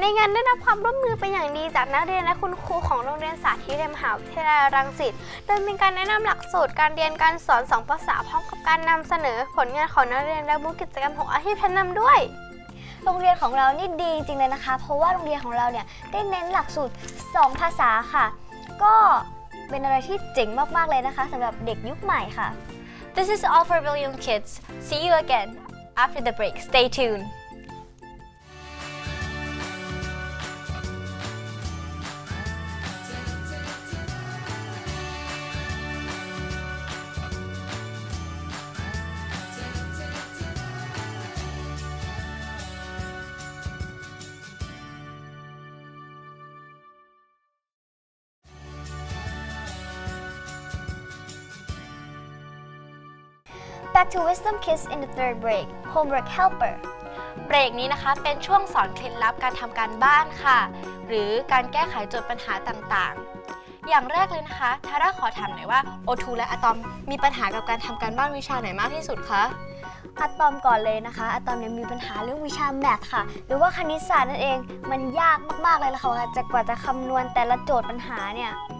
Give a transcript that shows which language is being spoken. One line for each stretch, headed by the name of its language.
Thai: ในงานได้รับความร่วมมือเป็นอย่างดีจากนักเรียนและคุณครูของโรงเรียนสาธิตมหาวิทยาลัยรังสิตโดยมีการแนะนำหลักสูตรการเรียนการสอน2ภาษาพร้อมกับการนำเสนอผลงานของนักเรียนและมุกกิจกรรมของอาชีพแนะนำด้วย โรงเรียนของเรานี่ดีจริงเลยนะคะเพราะว่าโรงเรียนของเราเนี่ยได้เน้นหลักสูตร2ภาษาค่ะก็เป็นอะไรที่เจ๋งมากๆเลยนะคะสำหรับเด็กยุคใหม่ค่ะ
English: This is all for Bilinqual kids. See you again after the break. Stay tuned. Back to Wisdom Kids in the third break. Homework Helper.
Thai: เบรกนี้นะคะเป็นช่วงสอนเคล็ดลับการทำการบ้านค่ะหรือการแก้ไขโจทย์ปัญหาต่างๆอย่างแรกเลยนะคะทาร่าขอถามหน่อยว่าโอทูและอะตอมมีปัญหากับการทำการบ้านวิชาไหนมากที่สุดคะ อะตอมก่อนเลยนะคะอะตอมยังมีปัญหาเรื่องวิชาแมทค่ะหรือว่าคณิตศาสตร์นั่นเองมันยากมากๆเลยล่ะค่ะจะกว่าจะคำนวณแต่ละโจทย์ปัญหาเนี่ย